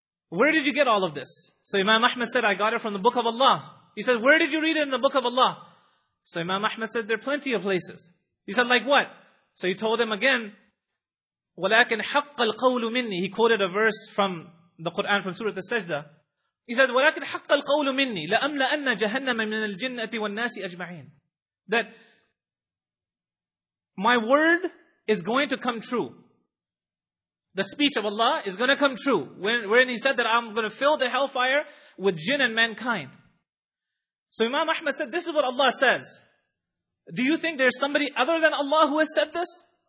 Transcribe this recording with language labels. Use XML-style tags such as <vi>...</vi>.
<en>Where did you get all of this? So Imam Ahmad said, I got it from the book of Allah. He said, where did you read it in the book of Allah? So Imam Ahmad said, there are plenty of places. He said, like what? So he told him again,</en> <ar>وَلَكِنْ حَقَّ الْقَوْلُ مِنِّي.</ar> <en>He quoted a verse from the Quran, from Surah Al-Sajda. He said,</en> <ar>وَلَكِنْ حَقَّ الْقَوْلُ مِنِّي لَأَمْلَأَنَّ جَهَنَّمَ مِنَ الْجِنَّةِ وَالنَّاسِ أَجْمَعِينَ.</ar> <en>That my word is going to come true. The speech of Allah is going to come true. Wherein he said that I'm going to fill the hellfire with jinn and mankind. So Imam Ahmad said, this is what Allah says. Do you think there's somebody other than Allah who has said this?</en>